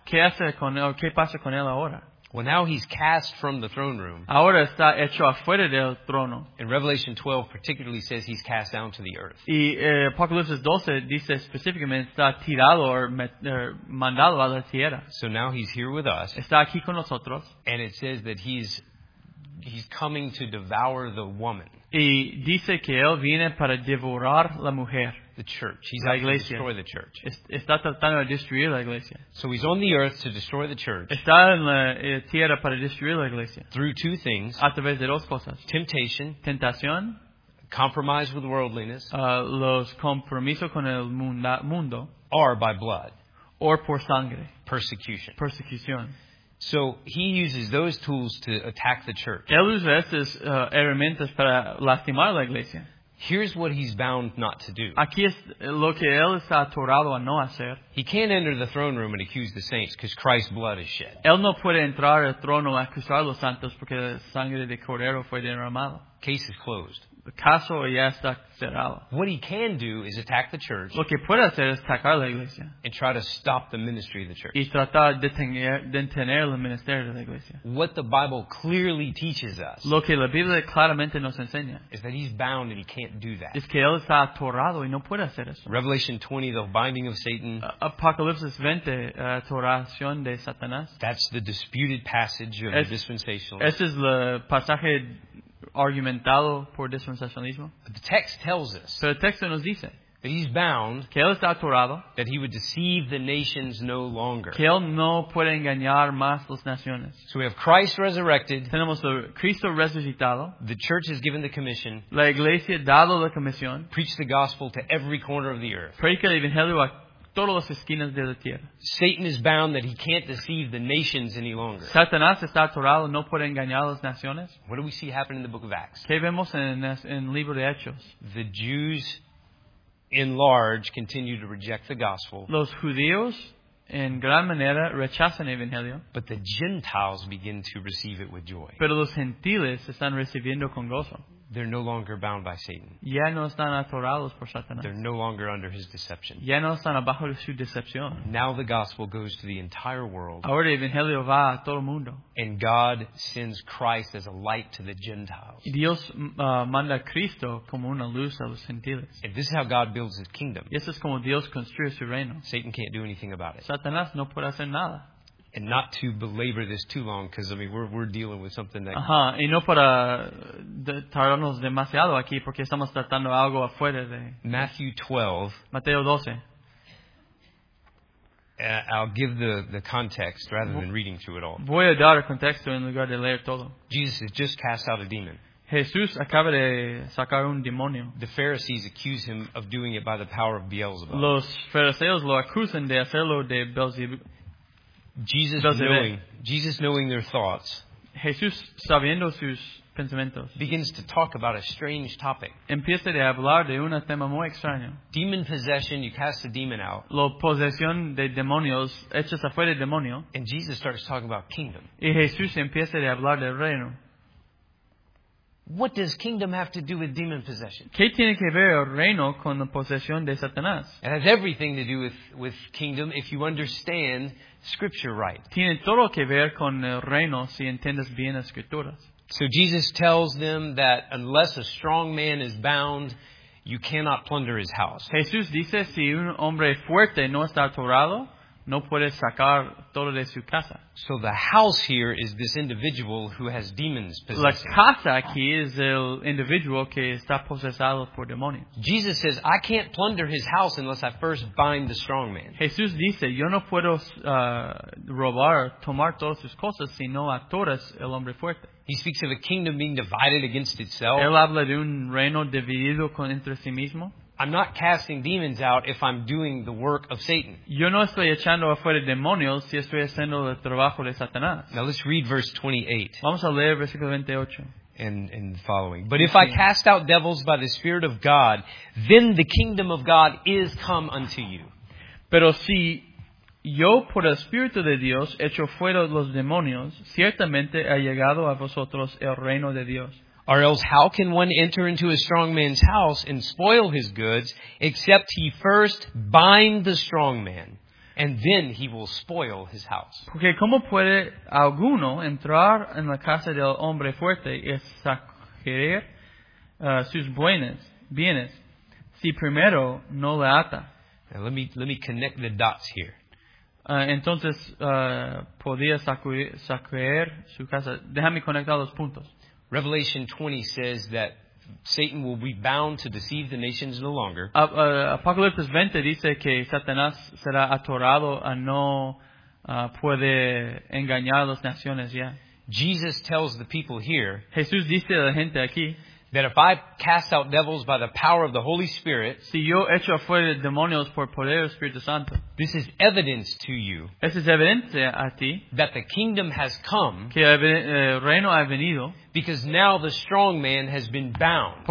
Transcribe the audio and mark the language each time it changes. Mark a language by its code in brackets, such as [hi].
[es] ¿Qué hace con él, o qué pasa con él ahora? [en] Well, now he's cast from the throne room. [es] Ahora está hecho afuera del trono. [en] And Revelation 12 particularly says he's cast down to the earth. [es] Y Apocalipsis 12 dice específicamente está tirado o mandado a la tierra. [en] So now he's here with us. [es] Está aquí con nosotros. [en] And it says that he's coming to devour the woman. [es] Y dice que él viene para devorar la mujer. [en] The church. He's trying to destroy the church. [es] Está tratando de destruir la iglesia. [en] So he's on the earth to destroy the church. [es] Está en la tierra para destruir la iglesia. [en] Through two things. [es] A través de dos cosas. [en] Temptation. [es] Tentación. [en] Compromise with worldliness. [es] Los compromisos con el mundo. [en] Or by blood. [es] Or por sangre. [en] Persecution. [es] Persecución. [en] So he uses those tools to attack the church. [es] Él usa estas herramientas para lastimar la iglesia. [en] Here's what he's bound not to do. [es] Aquí es lo que él está atorado a no hacer. [en] He can't enter the throne room and accuse the saints because Christ's blood is shed. [es] Él no puede entrar al trono a acusar a los santos porque la sangre de cordero fue derramada. [en] Case is closed. [es] El caso ya está cerrado. [en] What he can do is attack the church. [es] Lo que puede hacer es atacar la iglesia. [en] And try to stop the ministry of the church. [es] Y tratar de detener el ministerio de la iglesia. [en] What the Bible clearly teaches us. [es] Lo que la Biblia claramente nos enseña. [en] Is that he's bound and he can't do that. [es] Es que él está atorado y no puede hacer eso. [en] Revelation 20, the binding of Satan. [es] Apocalipsis 20, atoración de Satanás. [en] That's the disputed passage of the dispensationalism. [es] Ese es el pasaje argumentado por dispensacionalismo. [en] But the text tells us, [es] pero el texto nos dice, [en] that he's bound, [es] que él está atorado, [en] that he would deceive the nations no longer, [es] que él no puede engañar más las naciones. [en] So we have Christ resurrected, [es] tenemos a Cristo resucitado, [en] the church is given the commission, [es] la iglesia dado la comisión, [en] preach the gospel to every corner of the earth, [es] predica el evangelio a todas las esquinas de la tierra. [en] Satan is bound that he can't deceive the nations any longer. [es] Satanás está atorado, no puede engañar a las naciones. [en] What do we see happen in the book of Acts? [es] ¿Qué vemos en el libro de Hechos? [en] The Jews in large continue to reject the gospel. [es] Los judíos en gran manera rechazan el evangelio. [en] But the Gentiles begin to receive it with joy. [es] Pero los gentiles están recibiendo con gozo. [en] They're no longer bound by Satan. [es] Ya no están atorados por Satanás. [en] They're no longer under his deception. [es] Ya no están bajo su decepción. [en] Now the gospel goes to the entire world. [es] Ahora el evangelio va a todo el mundo. [en] And God sends Christ as a light to the Gentiles. [es] Y Dios manda a Cristo como una luz a los gentiles. [en] And this is how God builds his kingdom. [es] Y eso es como Dios construye su reino. [en] Satan can't do anything about it. [es] Satanás no puede hacer nada. [en] And not to belabor this too long, because I mean we're dealing with something that. [es] Y no para tardarnos demasiado aquí, porque estamos tratando algo afuera de. [en] Matthew 12. [es] Mateo 12. [en] I'll give the context rather than reading through it all. [es] Voy a dar el contexto en lugar de leer todo. [en] Jesus has just cast out a demon. [es] Jesús acaba de sacar un demonio. [en] The Pharisees accuse him of doing it by the power of Beelzebub. [es] Los fariseos lo acusan de hacerlo de Beelzebub. [en] Jesus knowing their thoughts, [es] Jesús sabiendo sus pensamientos, [en] begins to talk about a strange topic. [es] Empieza de hablar de un tema muy extraño. [en] Demon possession, you cast a demon out. [es] La posesión de demonios, echas afuera el demonio. [en] And Jesus starts talking about kingdom. [es] Y Jesús empieza de hablar del reino. [en] What does kingdom have to do with demon possession? [es] ¿Qué tiene que ver el reino con la posesión de Satanás? [en] It has everything to do with kingdom if you understand Scripture right. [es] Tiene todo que ver con el reino si entiendes bien las escrituras. [en] So Jesus tells them that unless a strong man is bound, you cannot plunder his house. [es] Jesús dice si un hombre fuerte no está atorado, no puede sacar todo de su casa. [en] So the house here is this individual who has demons possessing. [es] La casa aquí es el individual que está posesado por demonios. [en] Jesus says, I can't plunder his house unless I first bind the strong man. [es] Jesús dice, yo no puedo robar, tomar todas sus cosas si no atoras el hombre fuerte. [en] He speaks of a kingdom being divided against itself. [es] Él habla de un reino dividido contra sí mismo. [en] I'm not casting demons out if I'm doing the work of Satan. [es] Yo no estoy echando afuera demonios si estoy haciendo el trabajo de Satanás. [en] Now let's read verse 28. [es] Vamos a leer versículo 28. [en] And following. But if I cast out devils by the Spirit of God, then the kingdom of God is come unto you. [es] Pero si yo por el Espíritu de Dios echo fuera los demonios, ciertamente ha llegado a vosotros el reino de Dios. [en] Or else how can one enter into a strong man's house and spoil his goods, except he first bind the strong man, and then he will spoil his house. [es] Porque cómo puede alguno entrar en la casa del hombre fuerte y saquear sus bienes, si primero no le ata? [en] Now let me connect the dots here. [es] Podía saquear su casa. Déjame conectar los puntos. [en] Revelation 20 says that Satan will be bound to deceive the nations no longer. [es] Apocalipsis 20 dice que Satanás será atorado a no puede engañar a las naciones ya. [en] Jesus tells the people here. [es] Jesús dice a la gente aquí. [en] That if I cast out devils by the power of the Holy Spirit, [es] si yo echo afuera demonios por poder del Espíritu Santo, [en] this is evidence to you. [es] Esa es evidencia a ti. [en] That the kingdom has come. [es] Que el reino ha venido. [en] Because now the strong man has been bound.